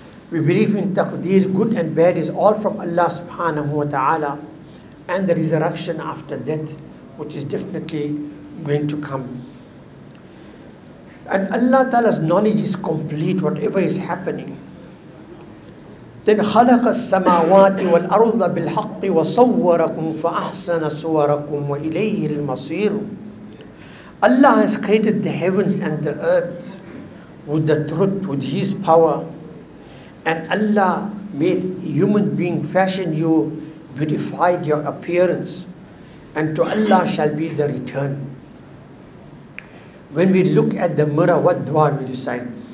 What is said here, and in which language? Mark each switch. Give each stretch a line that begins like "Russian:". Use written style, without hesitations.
English: We believe in Taqdeer, good and bad is all from Allah subhanahu wa ta'ala, and the resurrection after death, which is definitely going to come. And Allah Ta'ala's knowledge is complete, whatever is happening. Then
Arabic: خلق السماوات والأرض بالحق وصوركم فأحسن صوركم وإليه المصير.
English: Allah has created the heavens and the earth with the truth, with His power. And Allah made human being, fashioned you, beautified your appearance. And to Allah shall be the return. When we look at the mirror, what dua we recite?